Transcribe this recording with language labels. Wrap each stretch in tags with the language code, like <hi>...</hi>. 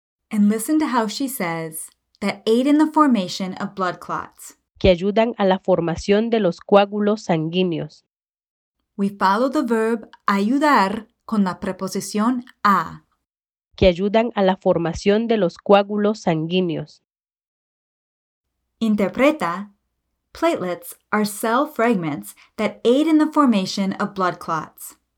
<en>And listen to how she says, that aid in the formation of blood clots.</en> <es>Que ayudan a la formación de los coágulos sanguíneos.</es> <en>We follow the verb</en> <es>ayudar con la preposición a. Que ayudan a la formación de los coágulos sanguíneos. Interpreta.</es> <en>Platelets are cell fragments that aid in the formation of blood clots.</en>